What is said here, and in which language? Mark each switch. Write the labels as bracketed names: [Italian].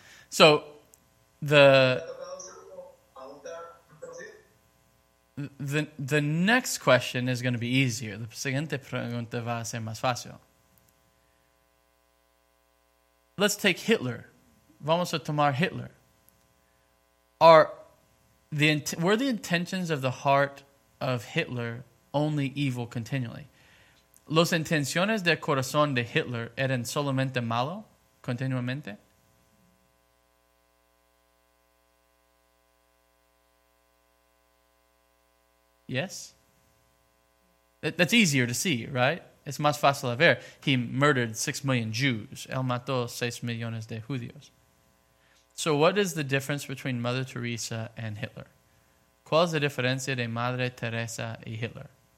[English] So, the next question is going to be easier. [Spanish] La siguiente pregunta va a ser más fácil. [English] Let's take Hitler. [Spanish] Vamos a tomar Hitler. [English] Were the intentions of the heart of Hitler only evil continually? [Spanish] ¿Los intenciones del corazón de Hitler eran solamente malo continuamente? [English] Yes? That's easier to see, right? It's [Spanish] más fácil de ver. [English] He murdered 6 million Jews. [Spanish] Él mató 6 millones de judíos. [English] So what is the difference between Mother Teresa and Hitler? [Spanish] ¿Cuál es la diferencia de Madre Teresa y Hitler?